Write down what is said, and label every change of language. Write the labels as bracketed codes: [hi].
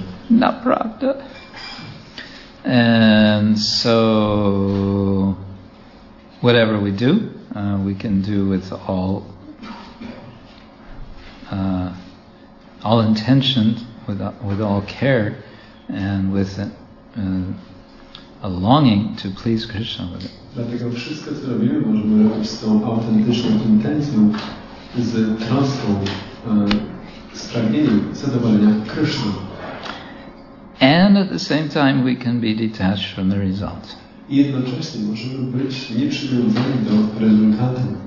[en] Not pravda. And so, whatever we do, we can do with all intention, with all care, and with a longing to please Krishna with it. [pl] Dlatego wszystko, co robimy, możemy robić z tą autentyczną intencją, z troską, z pragnieniem zadowolenia Krishna. [en] And at the same time, we can be detached from the result. [pl] I jednocześnie możemy być nieprzywiązani do rezultatu.